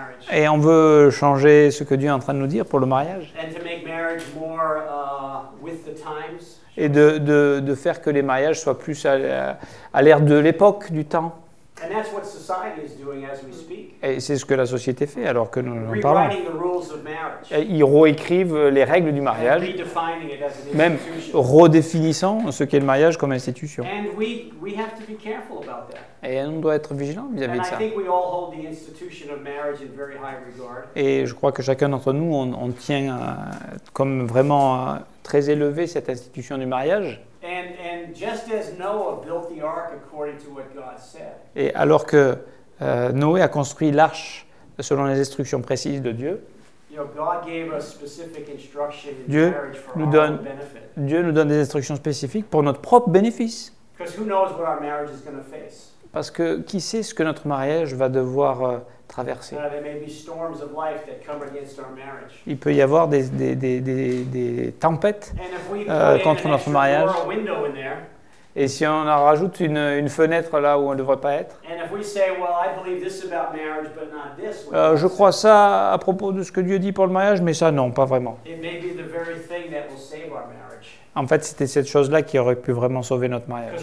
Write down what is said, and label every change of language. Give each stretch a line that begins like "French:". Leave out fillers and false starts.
French: Et on veut changer ce que Dieu est en train de nous dire pour le mariage.
English: And to make marriage more, with the times.
French: Et de faire que les mariages soient plus à l'ère de l'époque, du temps.
English: And that's what society is doing as we speak.
French: Et c'est ce que la société fait alors que nous en parlons.
English: Rewriting the rules of marriage.
French: Ils réécrivent les règles du mariage,
English: and redefining it as an institution.
French: Même redéfinissant ce qu'est le mariage comme institution.
English: And we have to be careful about that.
French: Et on doit être vigilant vis-à-vis
English: and
French: de ça.
English: I think we all hold the institution of marriage in very high regard.
French: Et je crois que chacun d'entre nous, on tient comme vraiment très élevé cette institution du mariage.
English: And just as Noah built the ark according to what God said.
French: Et alors que Noé a construit l'arche selon les instructions précises de Dieu.
English: You know, God gave us specific instructions in
French: Dieu
English: marriage for
French: nous
English: our
French: donne
English: benefit.
French: Dieu nous donne des instructions spécifiques pour notre propre bénéfice.
English: Because who knows what our marriage is going to face?
French: Parce que qui sait ce que notre mariage va devoir traverser.
English: There may be storms of life that come against our marriage.
French: Il peut y avoir des tempêtes contre notre mariage.
English: There,
French: et si on en rajoute une fenêtre là où on ne devrait pas être. Je crois ça à propos de ce que Dieu dit pour le mariage, mais ça non, pas vraiment.
English: It may be the very thing that will save our marriage.
French: En fait, c'était cette chose-là qui aurait pu vraiment sauver notre mariage.